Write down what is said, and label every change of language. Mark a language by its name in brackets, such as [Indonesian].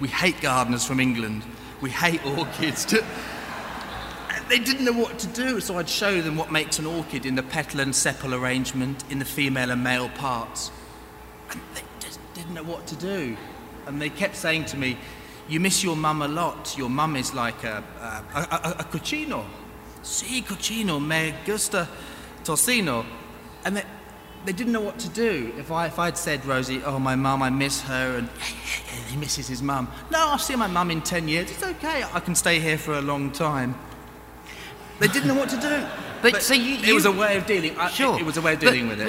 [English] We hate gardeners from England. We hate orchids. They didn't know what to do, so I'd show them what makes an orchid in the petal and sepal arrangement, in the female and male parts. And they just didn't know what to do. And they kept saying to me, you miss your mum a lot. Your mum is like a cochino. [Spanish] Sí, cochino, me gusta tocino. [English] And they didn't know what to do. If I'd said, Rosie, oh, my mum, I miss her, and he misses his mum. No, I'll see my mum in 10 years. It's okay, I can stay here for a long time. They didn't know what to do. It was a way of dealing with it.